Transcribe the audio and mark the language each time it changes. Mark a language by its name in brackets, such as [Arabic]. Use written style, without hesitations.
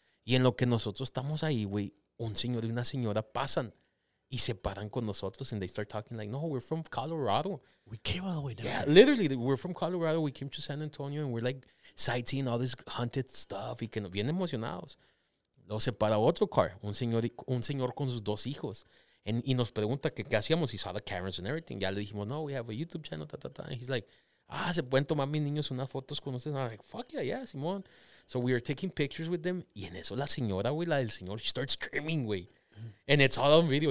[Spanish] Y en lo que nosotros estamos ahí, güey, un señor y una señora pasan. Y se paran con nosotros. [English] And they start talking like, no, we're from Colorado. We came all the way down. Yeah, literally, we're from Colorado. We came to San Antonio. And we're like sightseeing all this haunted stuff. [Spanish] Y que nos vienen emocionados. Lo separa otro car, un señor con sus dos hijos. Y nos pregunta qué hacíamos. He saw the cameras and everything. Ya le dijimos, no, we have a YouTube channel, ta, ta, ta. And he's like, se pueden tomar mis niños unas fotos con ustedes. And I'm like, fuck yeah, Simón. [English] So we are taking pictures with them. Y en eso la señora, güey, la del señor, she starts screaming, güey. And it's all on video.